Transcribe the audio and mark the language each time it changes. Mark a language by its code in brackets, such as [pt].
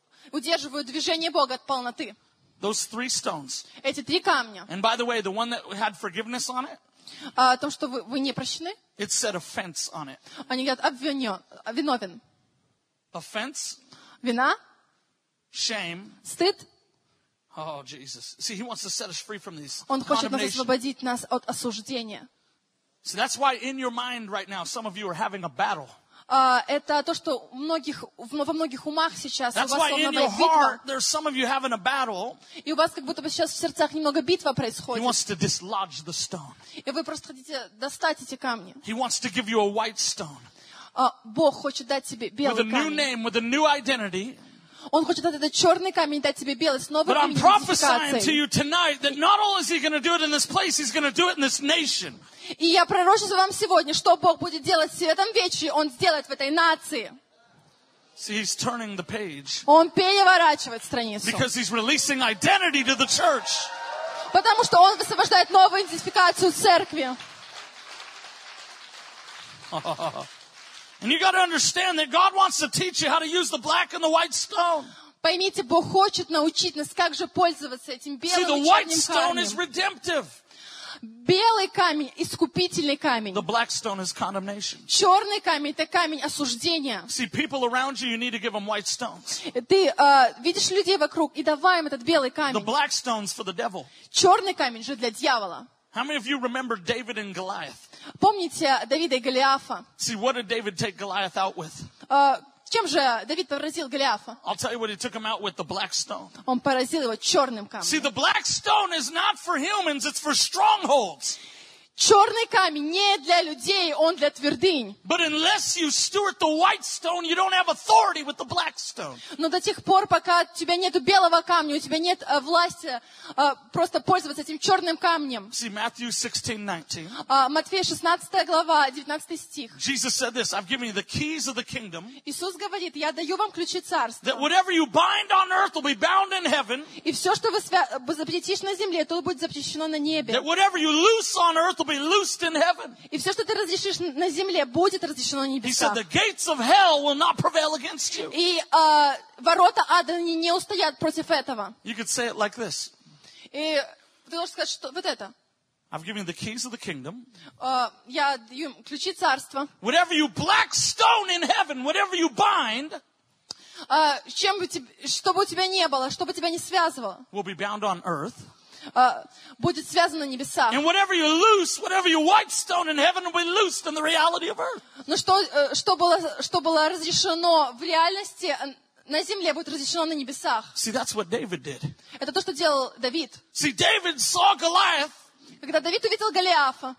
[ru] Удерживают движение Бога от полноты. [en] Those three stones. [ru] Эти три камня. [en] And by the way, the one that had forgiveness on it. [ru] О том, что вы не прощены. [en] It said offense on it. [ru] Они говорят, виновен. [en] Offense. [ru] Вина. [en] Shame. [ru] Стыд. [en] Oh, Jesus. See, he wants to set us free from these. [ru] Он хочет нас освободить нас от осуждения. [en] So that's why in your mind right now some of you are having a battle. [ru] Это то, что во многих умах сейчас [en] That's why in your heart there's some of you having a battle. [ru] И у вас как будто бы сейчас в сердцах немного битва происходит. [en] He wants to dislodge the stone. [ru] И вы просто хотите достать эти камни. [en] He wants to give you a white stone. [ru] Бог хочет дать тебе белый камень. [en] With a new name, with a new identity. [ru] Он хочет дать этот черный камень, дать тебе белый, с новой идентификацией. И я пророчу за вам сегодня, что Бог будет делать в этом вечере, Он сделает в этой нации. [en] See, he's turning the page. [ru] Он переворачивает страницу. [en] Because he's releasing identity to the church. [ru] Потому что Он высвобождает новую идентификацию церкви. [en] And you got to understand that God wants to teach you how to use the black and the white stone. [ru] Поймите, Бог хочет научить нас, как же пользоваться этим белым и черным камнем. [en] See, the white stone is redemptive. [ru] Белый камень — искупительный камень. [en] The black stone is condemnation. [ru] Черный камень — это камень осуждения. [en] See, people around you, you need to give them white stones. [ru] Ты видишь людей вокруг, и давай им этот белый камень. [en] The black stone's for the devil. [ru] Черный камень же для дьявола. [en] How many of you remember David and Goliath? [ru] Помните Давида и Голиафа? [en] See, what did David take Goliath out with? [ru] Чем же Давид поразил Голиафа? [en] I'll tell you what he took him out with, the black stone. [ru] Он поразил его чёрным камнем. [en] See, the black stone is not for humans, it's for strongholds. [ru] Чёрный камень не для людей, он для твердынь. [en] But unless you steward the white stone, you don't have authority with the black stone. [ru] Но до тех пор, пока у тебя нету белого камня, у тебя нет власти просто пользоваться этим чёрным камнем. [en] See, Matthew 16:19. [ru] Матфея 16 глава, 19 стих. [en] Jesus said this, I've given you the keys of the kingdom. [ru] Иисус говорит: "Я даю вам ключи царства". [en] That whatever you bind on earth will be bound in heaven. [ru] И всё, что вы запретите на земле, то будет запрещено на небе. [en] That whatever you loose on earth will be loosed in heaven. [ru] И всё, что ты разрешишь на земле, будет разрешено на небесах. [en] He said, the gates of hell will not prevail against you. [ru] И ворота ада не устоят против этого. [en] You could say it like this. [ru] И ты можешь сказать, что вот это. [en] I've given you the keys of the kingdom. [ru] Я даю ключи царства. [en] Whatever you black stone in heaven, whatever you bind, [ru] чем бы тебе, что бы у тебя не было, что бы тебя не связывало, [en] will be bound on earth. [ru] Будет связано на небесах. [en] And whatever you loose, whatever you white stone in heaven will be loosed in the reality of earth. [ru] Но что было разрешено в реальности на земле, будет разрешено на небесах. [en] See, that's what David did. [ru] Это то, что делал Давид. [en] See, David saw Goliath. [ru] Когда Давид увидел Голиафа.